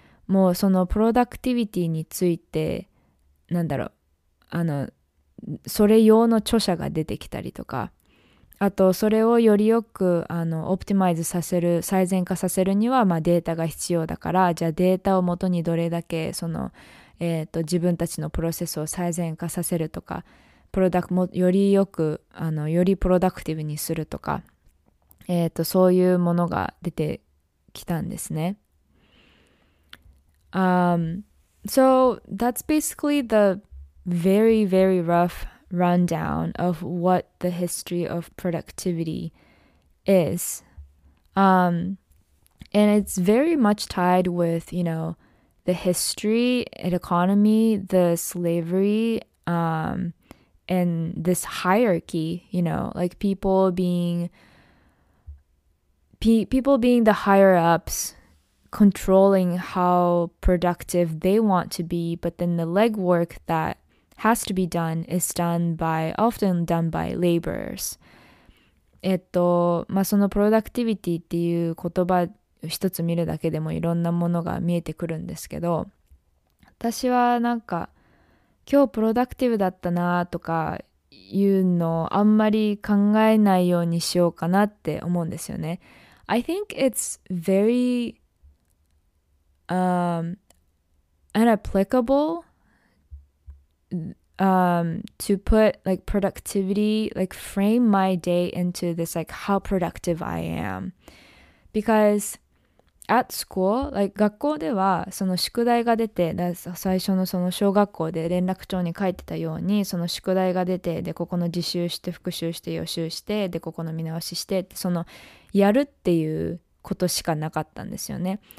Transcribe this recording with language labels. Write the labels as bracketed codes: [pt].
[ja] もうそのプロダクティビティについて、なんだろう、それ用の著者が出てきたりとか、あとそれをよりよくオプティマイズさせる、最善化させるには、まあ、データが必要だから、じゃあデータをもとにどれだけその、自分たちのプロセスを最善化させるとか、プロダクもよりよくよりプロダクティブにするとか、そういうものが出てきたんですね。 [en] So that's basically the very very roughrundown of what the history of productivity is. And it's very much tied with, you know, the history and economy, the slavery, and this hierarchy, you know, like people being the higher ups, controlling how productive they want to be, but then the legwork thathas to be done is done by, often done by laborers. [ja] まあ、そのプロダクティビティっていう言葉一つ見るだけでもいろんなものが見えてくるんですけど、私はなんか今日プロダクティブだったなとかいうのをあんまり考えないようにしようかなって思うんですよね。 [en] I think it's very inapplicable to put like productivity, like frame my day into this like how productive I am. Because at school, like [ja] 学校ではその宿題が出て、最初のその小学校で連絡帳に書いてたようにその宿題が出て、でここの自習して復習して予習して、でここの見直ししてって、そのやるっていうことしかなかったんですよね。